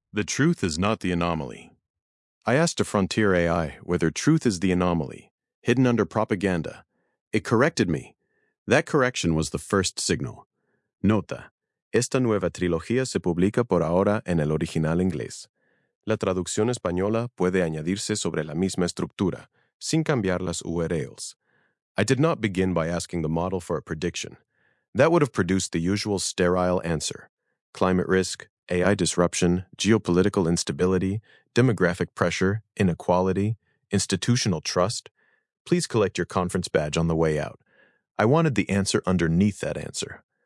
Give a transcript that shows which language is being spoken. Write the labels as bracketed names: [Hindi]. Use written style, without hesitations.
[English] The truth is not the anomaly. I asked a frontier AI whether truth is the anomaly, hidden under propaganda. It corrected me. That correction was the first signal. [Spanish] Nota: esta nueva trilogía se publica por ahora en el original inglés. La traducción española puede añadirse sobre la misma estructura, sin cambiar las URLs. [English] I did not begin by asking the model for a prediction. That would have produced the usual sterile answer. Climate risk, AI disruption, geopolitical instability, demographic pressure, inequality, institutional trust. Please collect your conference badge on the way out. I wanted the answer underneath that answer.